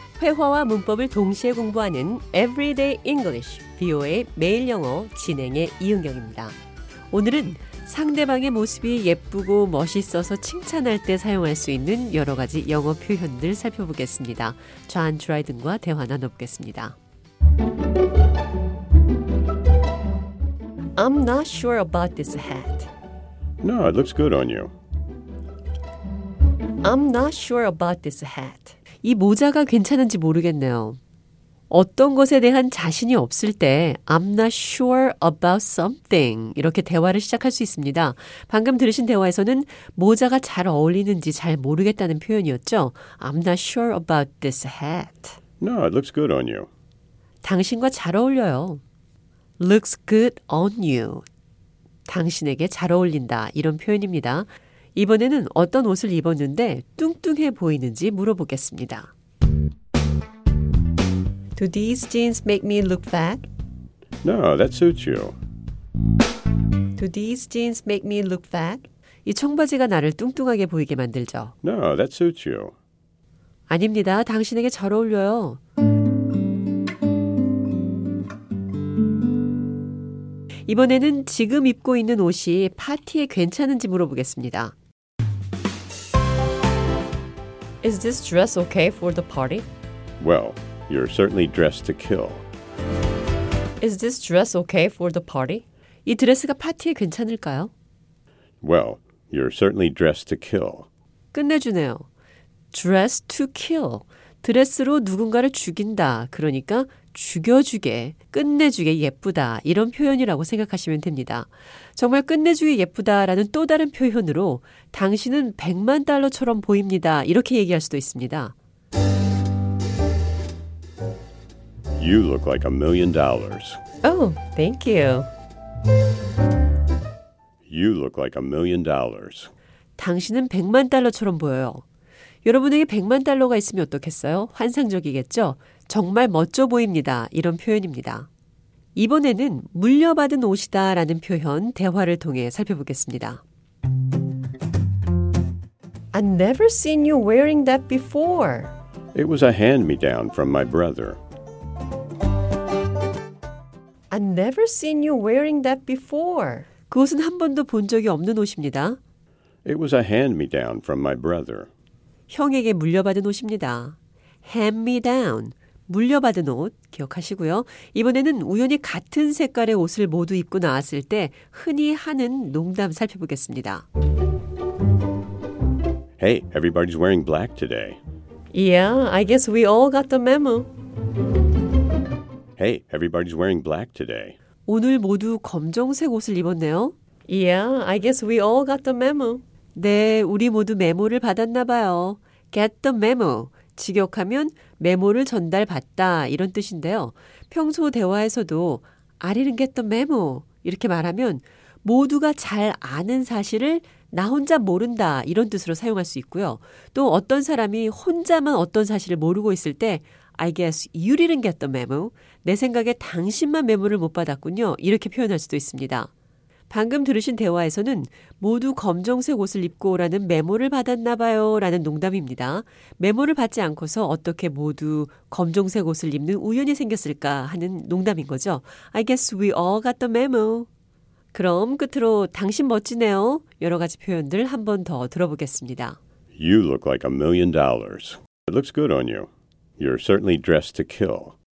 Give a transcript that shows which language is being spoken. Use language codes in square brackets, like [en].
[ko] 회화와 문법을 동시에 공부하는 Everyday English, VOA 매일 영어 진행의 이은경입니다. 오늘은 상대방의 모습이 예쁘고 멋있어서 칭찬할 때 사용할 수 있는 여러 가지 영어 표현들 살펴보겠습니다. 존 드라이든과 대화 나눠보겠습니다. [en] I'm not sure about this hat. No, it looks good on you. I'm not sure about this hat. [ko] 이 모자가 괜찮은지 모르겠네요. 어떤 것에 대한 자신이 없을 때 [en] I'm not sure about something [ko] 이렇게 대화를 시작할 수 있습니다. 방금 들으신 대화에서는 모자가 잘 어울리는지 잘 모르겠다는 표현이었죠. I'm not sure about this hat. No, it looks good on you. 당신과 잘 어울려요. [en] Looks good on you. [ko] 당신에게 잘 어울린다 이런 표현입니다. 이번에는 어떤 옷을 입었는데 뚱뚱해 보이는지 물어보겠습니다. [en] Do these jeans make me look fat? No, that suits you. Do these jeans make me look fat? [ko] 이 청바지가 나를 뚱뚱하게 보이게 만들죠. [en] No, that suits you. [ko] 아닙니다. 당신에게 잘 어울려요. 이번에는 지금 입고 있는 옷이 파티에 괜찮은지 물어보겠습니다. [en] Is this dress okay for the party? Well, you're certainly dressed to kill. Is this dress okay for the party? [ko] 이 드레스가 파티에 괜찮을까요? [en] Well, you're certainly dressed to kill. [ko] 끝내주네요. [en] Dress to kill. [ko] 드레스로 누군가를 죽인다. 그러니까 죽여주게, 끝내주게 예쁘다. 이런 표현이라고 생각하시면 됩니다. 정말 끝내주게 예쁘다라는 또 다른 표현으로 당신은 100만 달러처럼 보입니다. 이렇게 얘기할 수도 있습니다. [en] You look like $1,000,000. Oh, thank you. You look like $1,000,000. [ko] 당신은 100만 달러처럼 보여요. 여러분에게 100만 달러가 있으면 어떻겠어요? 환상적이겠죠? 정말 멋져 보입니다. 이런 표현입니다. 이번에는 물려받은 옷이다 라는 표현 대화를 통해 살펴보겠습니다. [en] I've never seen you wearing that before. It was a hand-me-down from my brother. I've never seen you wearing that before. [ko] 그것은 한 번도 본 적이 없는 옷입니다. [en] It was a hand-me-down from my brother. [ko] 형에게 물려받은 옷입니다. Hand-me-down, 물려받은 옷, 기억하시고요. 이번에는 우연히 같은 색깔의 옷을 모두 입고 나왔을 때 흔히 하는 농담 살펴보겠습니다. [en] Hey, everybody's wearing black today. Yeah, I guess we all got the memo. Hey, everybody's wearing black today. [ko] 오늘 모두 검정색 옷을 입었네요. [en] Yeah, I guess we all got the memo. [ko] 네, 우리 모두 메모를 받았나 봐요. [en] Get the memo. [ko] 직역하면 메모를 전달받다 이런 뜻인데요. 평소 대화에서도 [en] I didn't get the memo [ko] 이렇게 말하면 모두가 잘 아는 사실을 나 혼자 모른다 이런 뜻으로 사용할 수 있고요. 또 어떤 사람이 혼자만 어떤 사실을 모르고 있을 때 [en] I guess you didn't get the memo. [ko] 내 생각에 당신만 메모를 못 받았군요. 이렇게 표현할 수도 있습니다. 방금 들으신 대화에서는 모두 검정색 옷을 입고 오라는 메모를 받았나 봐요 라는 농담입니다. 메모를 받지 않고서 어떻게 모두 검정색 옷을 입는 우연이 생겼을까 하는 농담인 거죠. [en] I guess we all got the memo. [ko] 그럼 끝으로 당신 멋지네요. 여러 가지 표현들 한 번 더 들어보겠습니다. [en] You look like $1,000,000. It looks good on you. You're certainly dressed to kill.